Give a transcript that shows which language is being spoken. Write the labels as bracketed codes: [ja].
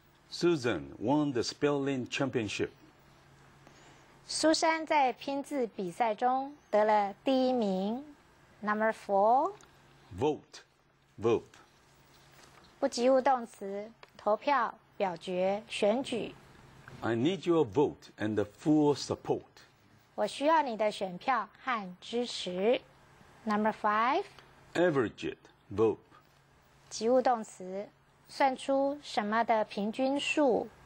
[en] Susan won the spelling championship. [zh] 苏珊在拼字比赛中得了第一名。 [en] Number four. Vote, vote. [zh] 不及物动词，投票、表决、选举。 [en] I need your vote and the full support. [zh] 我需要你的选票和支持。 [en] Number five. Average it. Vote. [zh] 及物动词，算出什么的平均数，